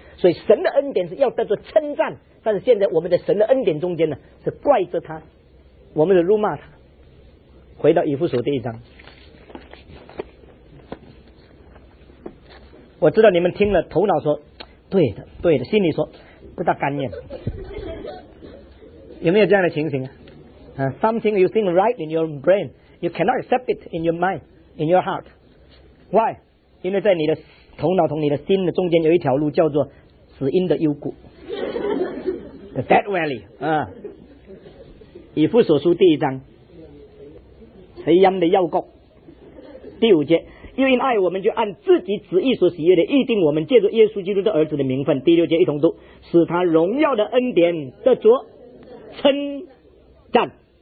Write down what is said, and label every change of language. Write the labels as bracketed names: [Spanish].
[Chinese] 所以神的恩典是要得到称赞，但是现在我们在神的恩典中间呢，是怪着他，我们是辱骂他。回到以弗所第一章，我知道你们听了头脑说对的对的，心里说不大甘愿，有没有这样的情形啊？ [English] Something you think right in your brain, you cannot accept it in your mind, in your heart. Why? [Chinese] 因为在你的头脑同你的心的中间有一条路叫做死荫的幽谷， The Dead Valley、以弗所书第一章死荫的幽谷第五节，又因爱我们就按自己旨意所喜悦的预定我们，借着耶稣基督的儿子的名分，第六节一同读，使他荣耀的恩典得着称赞。